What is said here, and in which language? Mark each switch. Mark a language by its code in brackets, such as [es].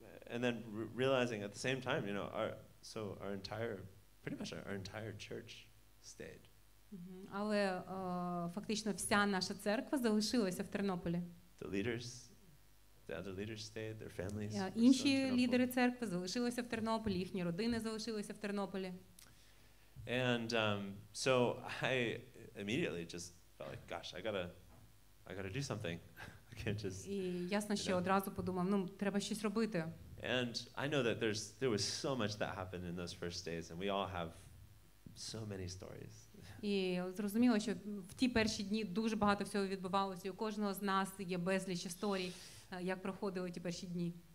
[en] And then realizing at the same time, you know, our entire church stayed. [uk] Але фактично вся наша церква залишилася в Тернополі. [en] The other leaders stayed, their families. [uk] Інші лідери церкви залишилися в Тернополі, їхні родини залишилися в Тернополі. [en] And so I immediately just felt like, gosh, I gotta do something. I can't just. [uk] І ясно, що одразу подумав, ну, треба щось робити. [en] And I know that there was so much that happened in those first days, and we all have so many stories. [uk] І зрозуміло, що в ті перші дні дуже багато всього відбувалося, і у кожного з нас є безліч історій, як проходили ті перші дні.